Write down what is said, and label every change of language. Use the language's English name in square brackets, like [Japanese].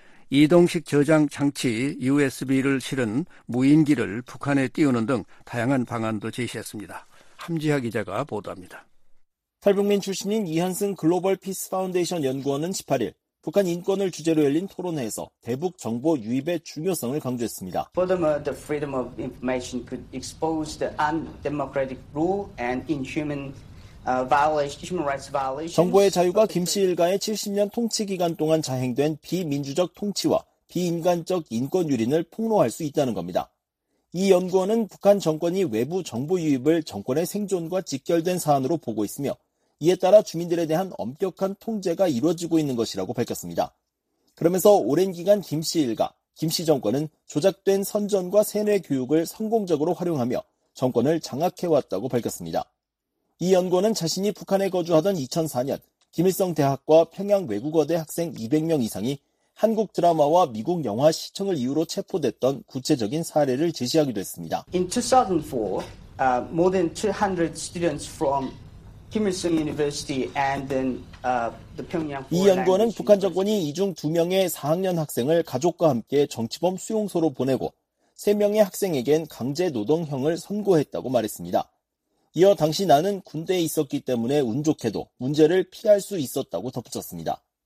[Korean] 이동식 저장 장치 USB를 실은 무인기를 북한에 띄우는 등 다양한 방안도 제시했습니다. 함지하 기자가 보도합니다. 탈북민 출신인 이한승 글로벌 피스 파운데이션 연구원은 18일 북한 인권을 주제로 열린 토론회에서 대북 정보 유입의 중요성을 강조했습니다. [English] Furthermore, the freedom of information could expose the undemocratic rule and inhuman human rights violation. [Korean] 정보의 자유가 김씨 일가의 70년 통치 기간 동안 자행된 비민주적 통치와 비인간적 인권 유린을 폭로할 수 있다는 겁니다. 이 연구원은 북한 정권이 외부 정보 유입을 정권의 생존과 직결된 사안으로 보고 있으며 이에 따라 주민들에 대한 엄격한 통제가 이루어지고 있는 것이라고 밝혔습니다. 그러면서 오랜 기간 김 씨 일가, 김 씨 정권은 조작된 선전과 세뇌 교육을 성공적으로 활용하며 정권을 장악해왔다고 밝혔습니다. 이 연구원은 자신이 북한에 거주하던 2004년 김일성 대학과 평양 외국어대 학생 200명 이상이 한국 드라마와 미국 영화 시청을 이유로 체포됐던 구체적인 사례를 제시하기도 했습니다. [English] In 2004, more than 200 students from Kim Il-sung University and then the Pyongyang. [Korean] 이 연구원은 북한 정권이 이 중 두 명의 4학년 학생을 가족과 함께 정치범 수용소로 보내고 세 명의 학생에겐 강제 노동형을 선고했다고 말했습니다. 이어 당시 나는 군대에 있었기 때문에 운 좋게도 문제를 피할 수 있었다고 덧붙였습니다.